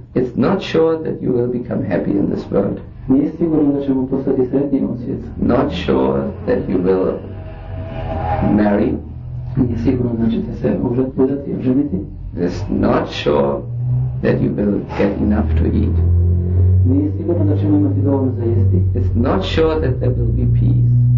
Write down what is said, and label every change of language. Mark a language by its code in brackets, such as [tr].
[en] It's not sure that you will become happy in this world. [hr] Nije sigurno da ćemo postati sretni u ovom svijetu. [en] Not sure that you will marry. [hr] Nije sigurno da ćete se udati i oženiti. [en] It's not sure that you will get enough to eat. [hr] Nije sigurno da ćemo imati dovoljno za jesti. [en] It's not sure that there will be peace.